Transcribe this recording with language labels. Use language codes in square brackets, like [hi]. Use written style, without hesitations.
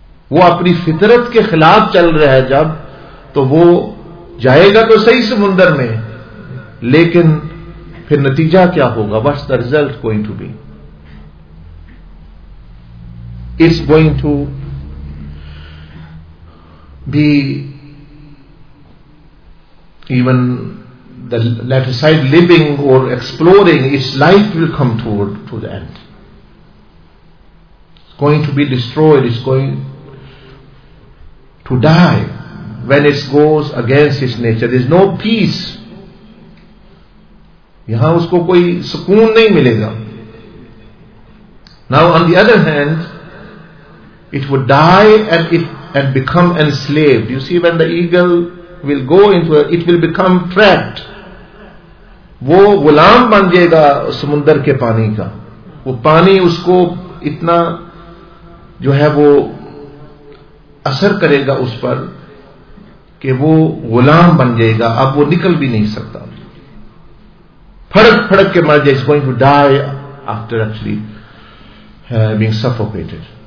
[ur] وہ اپنی فطرت کے خلاف چل رہا ہے جب تو وہ جائے گا تو صحیح سمندر میں لیکن پھر نتیجہ کیا ہوگا, [en] what's the result going to be? It's going to be even the latter side, living or exploring, its life will come to the end. It's going to be destroyed, it's going to die when it goes against its nature. There is no peace. [ur] Yahan usko koi sukoon nahi milega. [en] Now on the other hand, it would die and become enslaved. You see, when the eagle will go into it, it will become trapped. [ur] وہ غلام بن جائے گا سمندر کے پانی کا, وہ پانی اس کو اتنا جو ہے وہ اثر کرے گا اس پر کہ وہ غلام بن جائے گا, اب وہ نکل بھی نہیں سکتا, پھڑک پھڑک کے مر جائے, [en] is going to die after actually being suffocated.